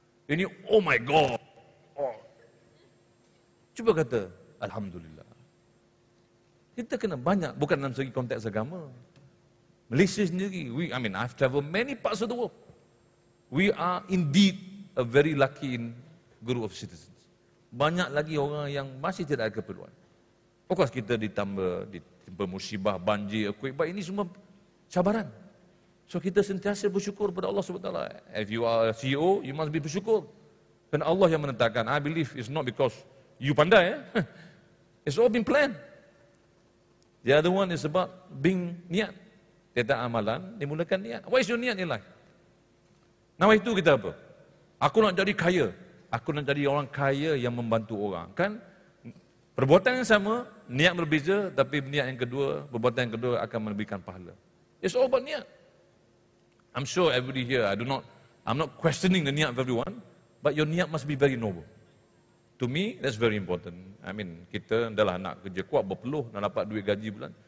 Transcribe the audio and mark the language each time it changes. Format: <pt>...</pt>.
<ms>Ini,</ms> <en>oh my God.</en> <ms>Oh. Cuba kata, Alhamdulillah. Kita kena banyak, bukan dalam segi konteks agama.</ms> <en>Malaysia sendiri, I've traveled many parts of the world. We are indeed a very lucky group of citizens.</en> <ms>Banyak lagi orang yang masih tidak ada keperluan. Of course, kita ditimpa musibah, banjir, earthquake, but ini semua cabaran. So kita sentiasa bersyukur kepada Allah SWT.</ms> <en>If you are a CEO, you must be bersyukur.</en> <ms>Dan Allah yang menentangkan.</ms> <en>I believe it's not because you pandai. It's all been planned. The other one is about being niat.</en> <ms>Tiada amalan, dimulakan niat.</ms> <en>What is your niat in life?</en> <ms>Nawaitu kita apa? Aku nak jadi kaya. Aku nak jadi orang kaya yang membantu orang. Kan? Perbuatan yang sama, niat berbeza, tapi niat yang kedua, perbuatan yang kedua akan memberikan pahala.</ms> <en>It's all about niat. I'm sure everybody here, I'm not questioning the niat of everyone, but your niat must be very noble. To me, that's very important.</en> <ms>I mean, kita adalah nak kerja kuat, berpeluh, nak dapat duit gaji bulan.</ms>